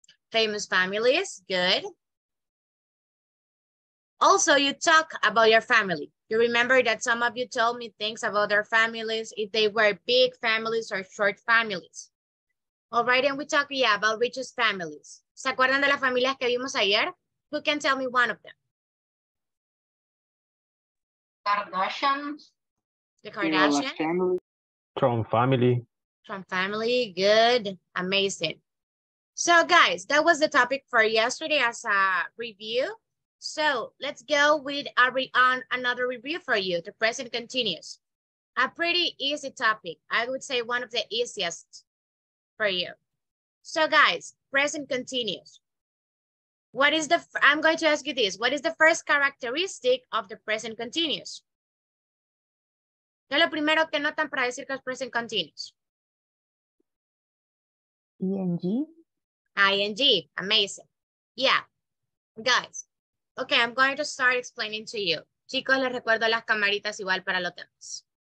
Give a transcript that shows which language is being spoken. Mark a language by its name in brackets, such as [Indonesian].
[English] Famous families, good. Also, you talk about your family. You remember that some of you told me things about their families, if they were big families or short families. All right, and we talk, yeah, about richest families. [Spanish] ¿Se acuerdan de las familias que vimos ayer? [English] Who can tell me one of them? Kardashians. The Kardashians. Trump family. Trump family, good, amazing. So guys, that was the topic for yesterday as a review. So let's go with another review for you, the present continuous. A pretty easy topic. I would say one of the easiest for you. So guys, present continuous. What is the, I'm going to ask you this. What is the first characteristic of the present continuous? [Spanish] ¿Qué es lo primero que notan para decir que es present continuous? [English] ING. ING, amazing. Yeah, guys. Okay, I'm going to start explaining to you. [Spanish] Chicos, les recuerdo las camaritas igual para los demás.